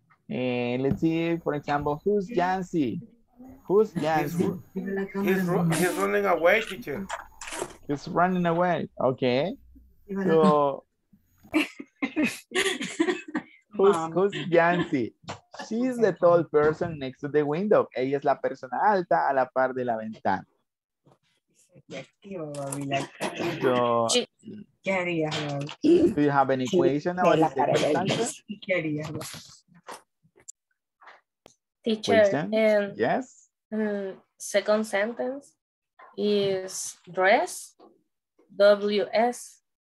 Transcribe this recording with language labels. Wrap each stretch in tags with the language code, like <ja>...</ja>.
<en>And let's see, for example, who's Yancy? Who's Yancy? He's running away, teacher. He's running away. Okay. So. Who's Yancy? She's the tall person next to the window.</en> <es>Ella es la persona alta a la par de la ventana.</es> <en>So, do you have an equation about this? Teacher, yes. Second sentence is dress, WS.</en>